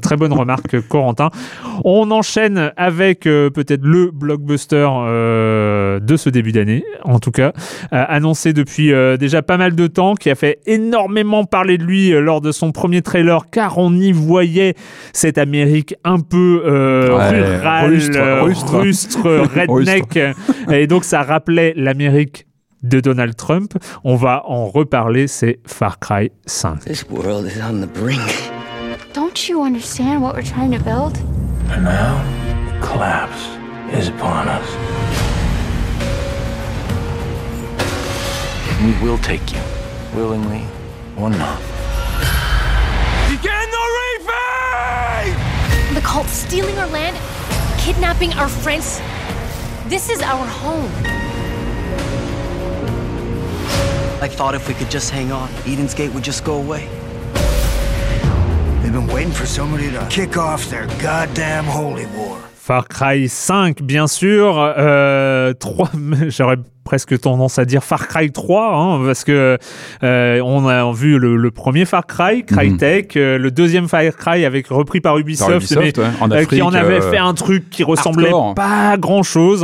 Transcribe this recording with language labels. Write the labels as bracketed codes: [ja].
[fr] Très bonne remarque, Corentin. On enchaîne avec peut-être le blockbuster de ce début d'année, en tout cas, annoncé depuis déjà pas mal de temps, qui a fait énormément parler de lui lors de son premier trailer, car on y voyait cette Amérique un peu rurale, rustre, redneck. Et donc, ça rappelait l'Amérique de Donald Trump. On va en reparler, c'est Far Cry 5. [en] This world is on the brink. Don't you understand what we're trying to build? And now, collapse is upon us. We will take you, willingly or not. Begin the reaping! The cult stealing our land, kidnapping our friends. This is our home. I thought if we could just hang on, Eden's Gate would just go away. They've been waiting for somebody to kick off their goddamn holy war. [fr] Far Cry 5, bien sûr. 3, j'aurais presque tendance à dire Far Cry 3, hein, parce que on a vu le premier Far Cry, Crytek, le deuxième Far Cry avec repris par Ubisoft, mais, en Afrique, qui en avait fait un truc qui ressemblait hardcore. Pas à grand chose.